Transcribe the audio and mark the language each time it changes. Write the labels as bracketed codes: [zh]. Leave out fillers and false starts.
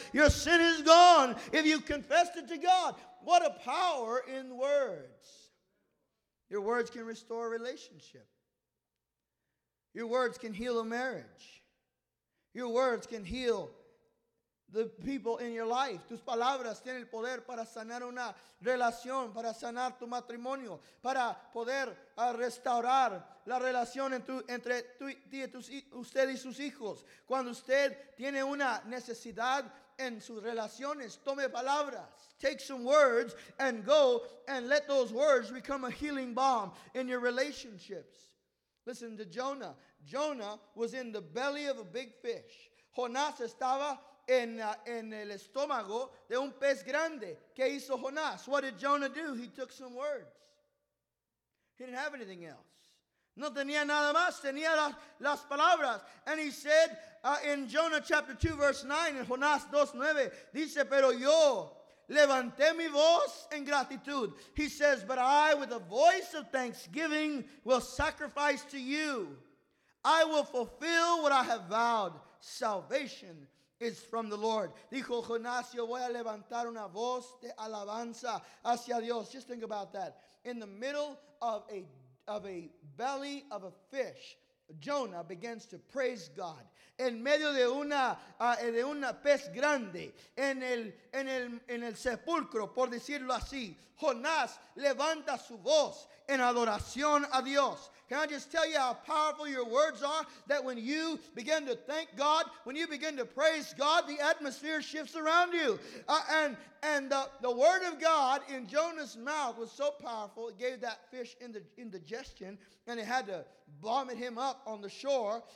[en] Your sin is gone if you confessed it to God. What a power in words. Your words can restore a relationship. Your words can heal a marriage. Your words can heal the people in your life. [es] Tus palabras tienen el poder para sanar una relación, para sanar tu matrimonio, para poder restaurar la relación entre ti y usted y sus hijos. Cuando usted tiene una necesidad en sus relaciones, tome palabras. [en] Take some words and go and let those words become a healing balm in your relationships. Listen to Jonah. Jonah was in the belly of a big fish. [es] Jonás estaba en el estómago de un pez grande. ¿Qué hizo Jonás? [en] What did Jonah do? He took some words. He didn't have anything else. [es] No tenía nada más, tenía las palabras. [en] And he said in Jonah chapter 2 verse 9, [es] in Jonás 2:9, dice, pero yo levanté mi voz en gratitud. [en] He says, but I with a voice of thanksgiving will sacrifice to you. I will fulfill what I have vowed. Salvation is from the Lord. [es] Dijo Jonás, yo voy a levantar una voz de alabanza hacia Dios. [en] Just think about that. In the middle of a belly of a fish, Jonah begins to praise God. [es] En medio de una pez grande, en el sepulcro, por decirlo así, Jonás levanta su voz en adoración a Dios. [en] Can I just tell you how powerful your words are? That when you begin to thank God, when you begin to praise God, the atmosphere shifts around you. And the word of God in Jonah's mouth was so powerful, it gave that fish indigestion, and it had to vomit him up on the shore.